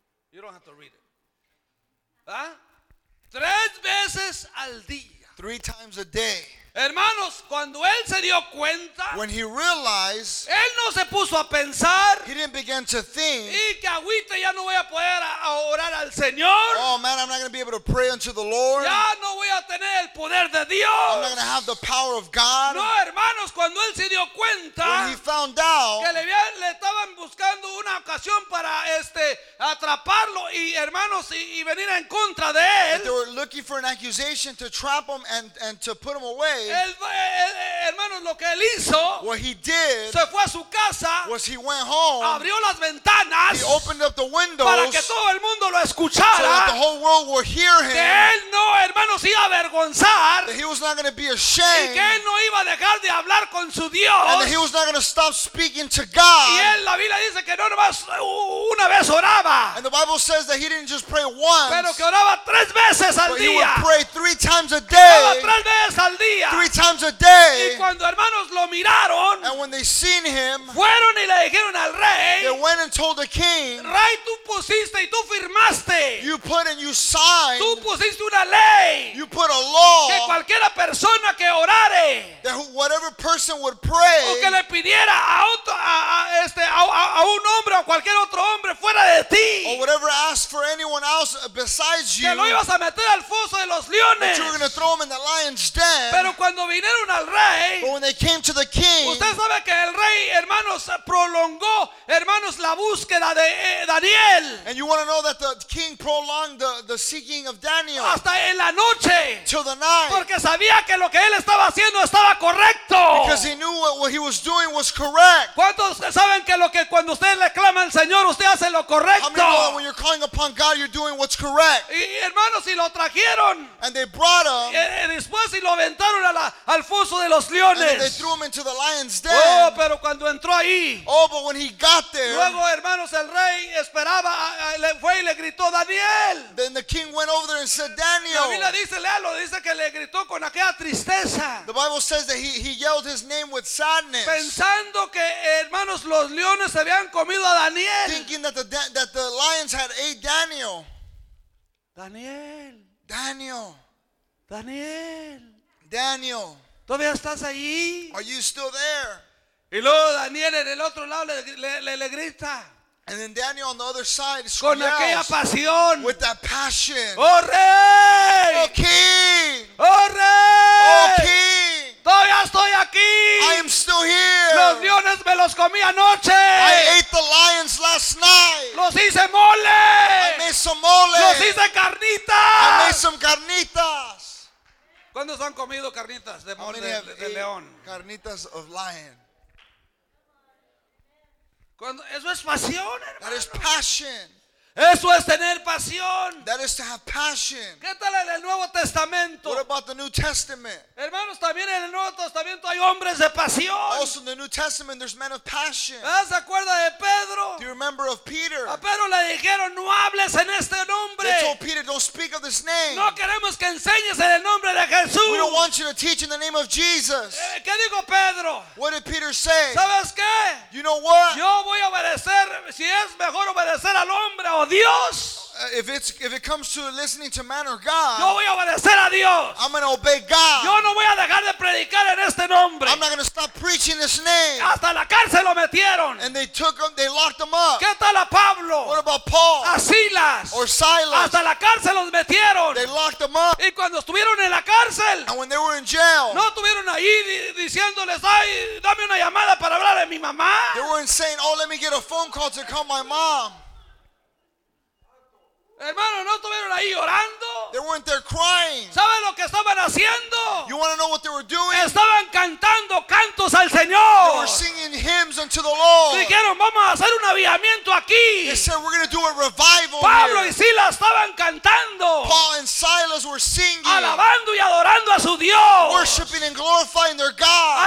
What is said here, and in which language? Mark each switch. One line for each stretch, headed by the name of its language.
English: You don't have to read it. ¿Ah?
Spanish: Tres veces al día.
English: Three times a day.
Spanish: Hermanos, cuando él se dio cuenta,
English: when he realized,
Spanish: él no se puso a pensar,
English: he didn't begin to think,
Spanish: y que agüita, ya no voy a poder a orar al Señor.
English: Oh man, I'm not going to be able to pray unto the Lord.
Spanish: Ya no voy a tener el poder de Dios.
English: I'm not going to have the power of God.
Spanish: No, hermanos, cuando él se dio cuenta que le estaban buscando una ocasión para atraparlo y hermanos y venir en contra de él.
English: They were looking for an accusation to trap him and to put him away.
Spanish: Hermanos, lo que él hizo,
English: what he did,
Spanish: se fue a su casa,
English: was he went home,
Spanish: abrió las ventanas,
English: he opened up the windows,
Spanish: para que todo el mundo lo escuchara,
English: so that the whole world would hear him.
Spanish: Que él no, hermanos, iba a avergonzar.
English: That he was not going to be ashamed.
Spanish: Y que él no iba a dejar de hablar con su Dios.
English: And that he was not going to stop speaking to God.
Spanish: Y él, la Biblia dice que no nomás una vez oraba.
English: And the Bible says that he didn't just pray once.
Spanish: Pero que oraba tres veces al
English: but
Spanish: día.
English: But he would pray three times a day.
Spanish: Oraba tres veces al día.
English: Three times a day.
Spanish: Y cuando hermanos lo miraron,
English: and when they seen him,
Spanish: fueron y le dijeron al rey,
English: they went and told the king,
Spanish: rey, tú pusiste y tú firmaste,
English: you put and you signed,
Spanish: tú pusiste una ley,
English: you put a law,
Spanish: que cualquiera persona que orare,
English: that whatever person would pray,
Spanish: o que le pidiera a otro, a un hombre o cualquier otro hombre fuera de ti,
English: or whatever asked for anyone else besides you,
Spanish: que lo ibas a meter al foso de los leones,
English: that you were going to throw him in the lion's den.
Spanish: Pero cuando vinieron al rey,
English: but when they came to the king,
Spanish: usted sabe que el rey, hermanos, prolongó, hermanos, la búsqueda de Daniel.
English: And you want to know that the king prolonged the seeking of Daniel
Spanish: hasta en la noche,
English: till the night,
Spanish: porque sabía que lo que él estaba haciendo estaba correcto.
English: Because he knew what he was doing was correct.
Spanish: ¿Cuántos saben que lo que cuando usted le clama al Señor usted hace lo correcto?
English: How many know that when you're calling upon God you're doing what's correct?
Spanish: Y hermanos, y lo trajeron,
English: and they brought him,
Spanish: y después y lo aventaron al foso de los leones,
English: and they threw him into the lion's den.
Spanish: Oh, pero cuando entró ahí,
English: oh, but when he got there,
Spanish: luego hermanos el rey esperaba, le fue y le gritó Daniel.
English: Then the king went over there and said, Daniel.
Spanish: La Biblia dice, léalo, dice que le gritó con aquella tristeza.
English: The Bible says that he yelled his name with sadness.
Spanish: Pensando que hermanos los leones habían comido a Daniel. Thinking that the lions had ate Daniel. Daniel. Daniel. Daniel. Daniel. ¿Todavía estás allí?
English: Are you still there?
Spanish: Y luego Daniel en el otro lado le grita.
English: And then Daniel on the other side screams.
Spanish: Con aquella pasión.
English: With that passion.
Spanish: Oh rey.
English: Oh king.
Spanish: Oh rey.
English: Oh king.
Spanish: Todavía estoy aquí.
English: I am still here.
Spanish: Los leones me los comí anoche.
English: I ate the lions last night.
Spanish: Los hice mole.
English: I made some mole.
Spanish: Los hice carnitas.
English: I made some carnitas.
Spanish: ¿Cuándo se han comido carnitas de mole de león?
English: Carnitas of lion.
Spanish: Cuando, eso es pasión, hermano.
English: That is passion.
Spanish: Eso es tener pasión.
English: That is to have passion.
Spanish: ¿Qué tal en el Nuevo Testamento?
English: What about the New Testament?
Spanish: Hermanos, también en el Nuevo Testamento hay hombres de pasión.
English: Also in the New Testament there's men of passion.
Spanish: ¿Se acuerda de Pedro?
English: Do you remember of Peter?
Spanish: A Pedro le dijeron, no hables en este nombre.
English: They told Peter, don't speak of this name.
Spanish: No queremos que enseñes en el nombre de Jesús.
English: We don't want you to teach in the name of Jesus.
Spanish: ¿Qué dijo Pedro?
English: What did Peter say?
Spanish: ¿Sabes qué?
English: You know what?
Spanish: Yo voy a obedecer, si es mejor obedecer al hombre o Dios.
English: If it comes to listening to man or God,
Spanish: yo voy a obedecer a Dios.
English: I'm going to obey God.
Spanish: Yo no voy a dejar de predicar en este nombre.
English: I'm not going to stop preaching this name.
Spanish: Hasta la cárcel lo metieron.
English: And they took him, they locked him up.
Spanish: ¿Qué tal a Pablo?
English: What about Paul?
Spanish: A Silas.
English: Or Silas.
Spanish: Hasta la cárcel los metieron.
English: They locked him up.
Spanish: Y cuando estuvieron en la cárcel,
English: and when they were in jail,
Spanish: no estuvieron ahí diciéndoles, ay, dame una llamada para hablar de mi mamá.
English: They weren't saying, oh, let me get a phone call to call my mom.
Spanish: Hermanos, no estuvieron ahí llorando.
English: They weren't there crying.
Spanish: ¿Saben lo que estaban haciendo?
English: You want to know what they were doing?
Spanish: Estaban cantando cantos al Señor.
English: They were singing hymns unto the Lord.
Spanish: Dijeron, vamos a hacer un avivamiento aquí.
English: They said, we're going to do a revival.
Spanish: Pablo
English: here.
Spanish: Y Silas estaban cantando.
English: Paul and Silas were singing.
Spanish: Alabando y adorando a su Dios.
English: Worshiping and glorifying their God.